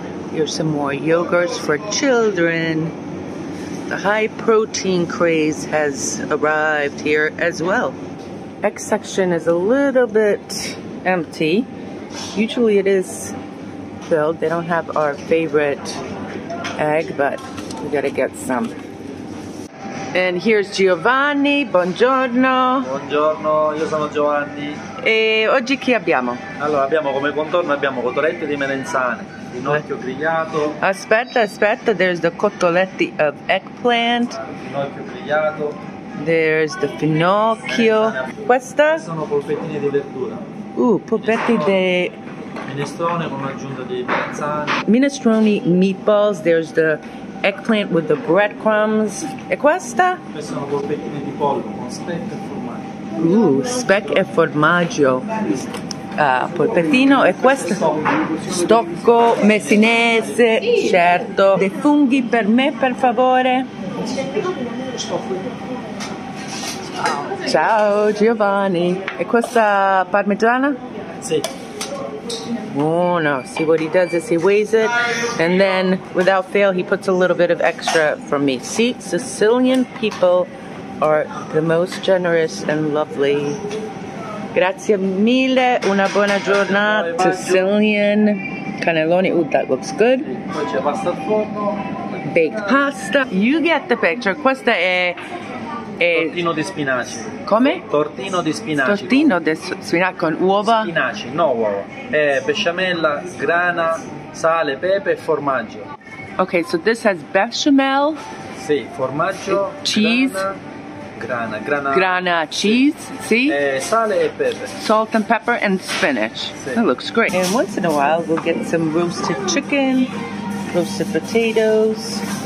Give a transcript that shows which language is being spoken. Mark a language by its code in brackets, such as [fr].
[en] Here's some more yogurts for children. The high protein craze has arrived here as well. X section is a little bit empty. Usually it is filled. They don't have our favorite egg, but we gotta get some. And here's Giovanni. [it] Buongiorno. Buongiorno, io sono Giovanni. E oggi chi abbiamo? Allora, abbiamo come contorno, abbiamo cotolette di melanzane, ginocchio grigliato. Aspetta, aspetta, [en] there's the cotoletti of eggplant. [it] Ginocchio grigliato. [en] There's the finocchio. [it] Questa? Sono polpettine di verdura. Polpetti di... Minestrone con un'aggiunta di melanzane. [en] Minestrone meatballs. There's the eggplant with the breadcrumbs. [it] E questa? Queste sono polpettine di pollo con speck e formaggio. Speck e formaggio. Polpettino. E questo? Stocco messinese. Certo. Dei funghi per me, per favore. Ciao Giovanni, e questa parmigiana? Sì. Buono. [en] See what he does is he weighs it and then without fail he puts a little bit of extra for me. See, Sicilian people are the most generous and lovely. [it] Grazie mille, una buona giornata. [en] Sicilian cannelloni, ooh, that looks good. [it] Poi c'è pasta al forno. [en] Baked pasta. You get the picture. [it] Questa è... Tortino di spinaci. Come? Tortino di spinaci. Tortino di spinaci con uova? Spinaci, no uova. Besciamella, grana, sale, pepe e formaggio. [en] Ok, so this has besciamel. [it] Sì, formaggio, [en] cheese. [it] Grana, [en] cheese, [it] sì. Sale e pepe. [en] Salt and pepper and spinach. [it] Sì. [en] That looks great. And once in a while we'll get some roasted chicken, roasted potatoes.